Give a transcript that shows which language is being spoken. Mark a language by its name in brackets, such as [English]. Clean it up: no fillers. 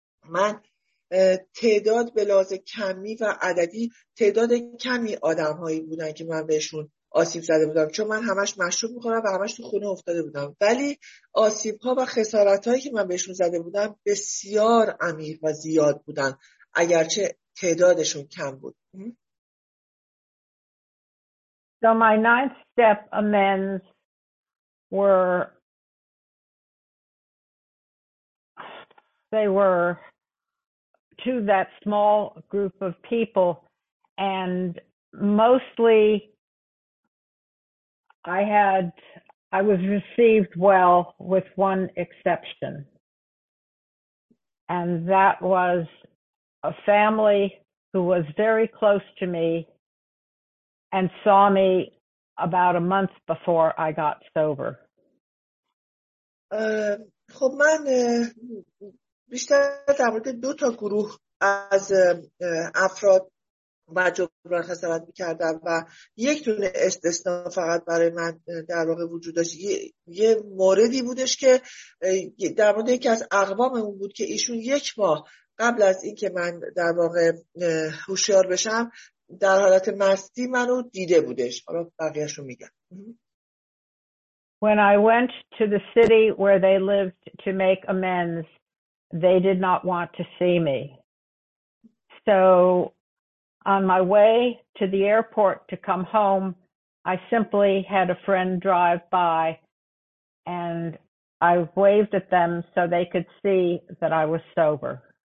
[Persian] من تعداد به لحاظ کمی و عددی تعداد کمی آدم هایی بودن که من بهشون آسیب زده بودم چون من همش مشروب میخورم و همش تو خونه افتاده بودم ولی آسیب ها و خسارت هایی که من بهشون زده بودم بسیار عمیق و زیاد بودن اگرچه تعدادشون کم بود. [English] So my ninth step amends were to that small group of people and mostly I was received well with one exception. And that was a family who was very close to me and saw me about a month before I got sober. [Persian] خب من بیشتر در مورد دو تا گروه از افراد و جبران خسارت میکردم و یک دونه استثنا فقط برای من در واقع وجود داشت. یه موردی بودش که در مورد یکی از اقواممون بود که ایشون یک ماه قبل از این که من در واقع هوشیار بشم در حالت مستی منو دیده بودش. حالا بقیهش رو میگم. [English] When I went to the city where they lived to make amends, they did not want to see me. So on my way to the airport to come home, I simply had a friend drive by and I waved at them so they could see that I was sober.